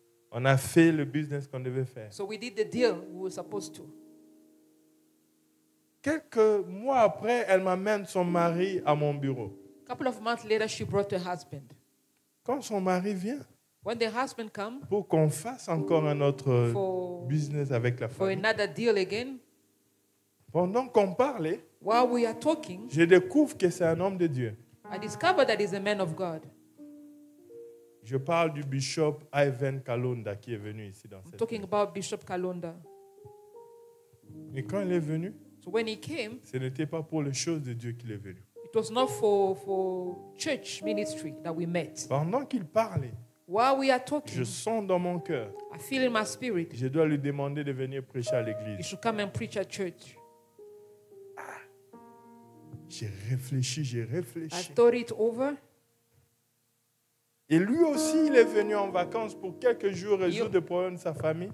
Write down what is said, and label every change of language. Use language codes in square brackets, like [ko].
[fr] On a fait le business qu'on devait faire. [en] So we did the deal we were supposed to. [fr] Quelques mois après, elle m'amène son mari à mon bureau. [en] Couple of months later, she brought her husband. [fr] Quand son mari vient. [en] When the husband come. [fr] Pour qu'on fasse encore un autre business avec la famille. [en] For another deal again. [fr] Pendant qu'on parlait. [en] While we are talking. [fr] Je découvre que c'est un homme de Dieu. [en] I discover that he's a man of God. [fr] Je parle du bishop Ivan Kalonda qui est venu ici dans cette. [en] Talking about Bishop Kalonda. [fr] Et quand il est venu. [en] So when he came. [fr] Ce n'était pas pour les choses de Dieu qu'il est venu. [en] It was not for church ministry that we met. [fr] Pendant qu'il parlait. [en] While we are talking, [fr] je sens dans mon cœur. [en] I feel in my spirit. [fr] Je dois lui demander de venir prêcher à l'église. [en] He should come and preach at church. [fr] Ah, j'ai réfléchi. [en] I thought it over. [fr] Et lui aussi, il est venu en vacances pour quelques jours résoudre des problèmes de sa famille.